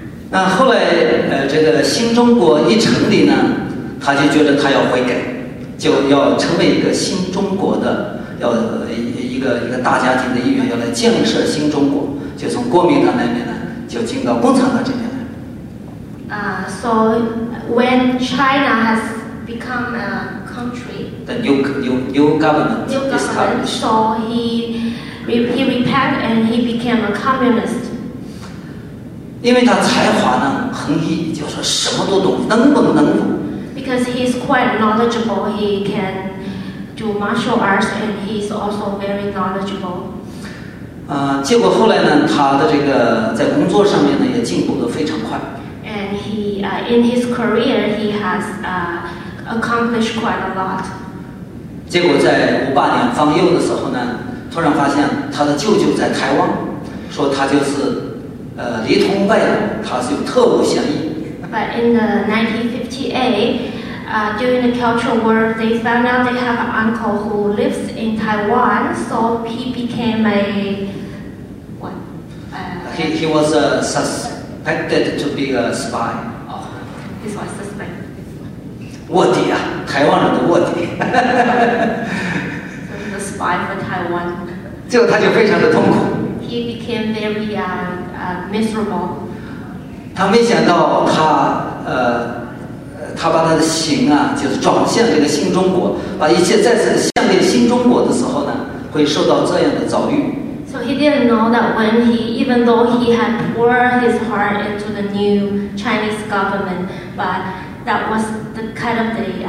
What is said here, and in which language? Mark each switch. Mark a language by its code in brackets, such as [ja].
[zh] 那后来这个新中国一成立呢，他就觉得他要悔改，就要成为一个新中国的，要一个大家庭的一员，要来建设新中国，就从国民党那边呢，就进到共产党这边。 [en] So when China has become a country, the new government, so he repent and he became a communist. [zh] 因为他才华呢横溢，就是什么都懂，能文能武。 [en] Because he is quite knowledgeable, he can do martial arts and he is also very knowledgeable. [zh] 结果后来呢，他的这个在工作上面呢也进步得非常快。 [en] And he, in his career, he has accomplished quite a lot. [zh] 结果在58年方幼的时候呢，突然发现他的舅舅在台湾，说他就是里通外国，他是有特务嫌疑。 [en] But in the 1958, during the Cultural War, they found out they have an uncle who lives in Taiwan, so he became a what? He was a suspected to be a spy. Oh, this one suspect. [zh] 卧底啊，台湾人的卧底。 [en] The spy for Taiwan. [zh] 结果他就非常的痛苦。 [en] He became very miserable. [zh] 他没想到他他把他的行啊，就是转向这个新中国，把一切再次向念新中国的时候呢，会受到这样的遭遇。 [en] So he didn't know that when he, even though he had poured his heart into the new Chinese government, but that was the kind of the